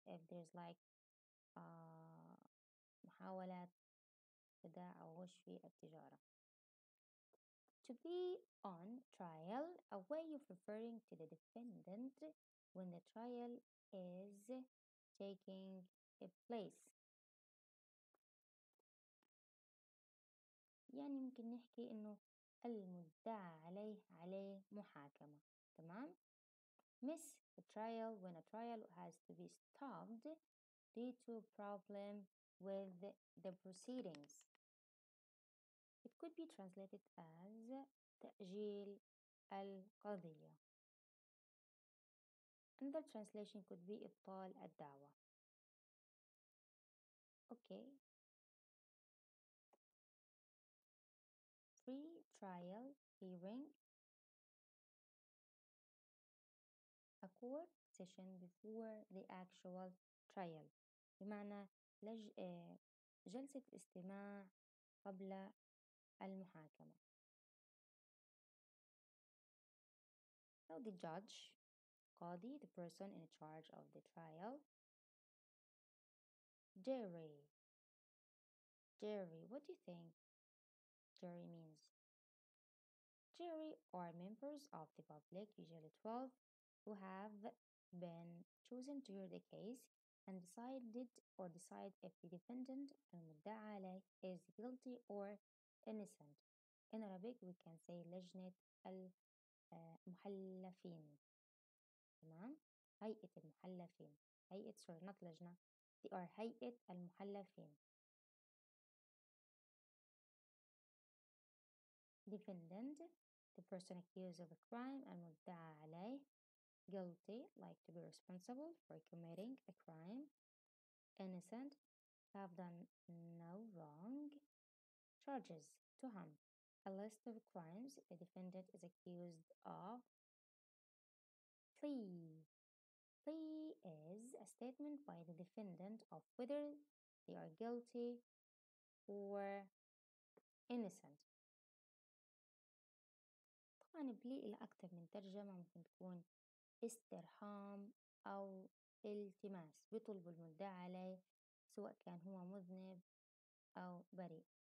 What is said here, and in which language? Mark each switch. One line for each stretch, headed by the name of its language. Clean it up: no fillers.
English: If there's like
Arabic: محاولات خداع وغش في التجارة.
English: To be on trial, a way of referring to the defendant when the trial is taking a place.
Arabic: يعني ممكن نحكي إنه المدعى عليه محاكمة. تمام؟
English: Miss the trial when a trial has to be stopped due to a problem with the proceedings. It could be translated as
Arabic: تأجيل القضية.
English: Another translation could be
Arabic: إبطال الدعوة.
English: Okay. Free trial hearing. A court session before the actual trial.
Arabic: بمعنى جلسة استماع قبل المحاكمة.
English: Now the judge, قاضي, the person in charge of the trial. Jury, what do you think? Jury means jury are members of the public, usually 12, who have been chosen to hear the case and decide if the defendant
Arabic: المدعي عليه
English: is guilty or innocent. In Arabic, we can say
Arabic: لجنة المحلفين. تمام؟ هيئة المحلفين. هيئة,
English: sorry, not
Arabic: لجنة.
English: They are
Arabic: هيئة المحلفين.
English: Defendant, the person accused of a crime,
Arabic: المدعي عليه.
English: Guilty, like to be responsible for committing a crime. Innocent, have done no wrong. Charges, تهم. A list of crimes the defendant is accused of. Plea. Plea is a statement by the defendant of whether they are guilty or innocent.
Arabic: طبعاً plea إلى أكثر من ترجمة ممكن تكون استرحام أو التماس. بيطلب المدعي عليه سواء كان هو مذنب أو بريء.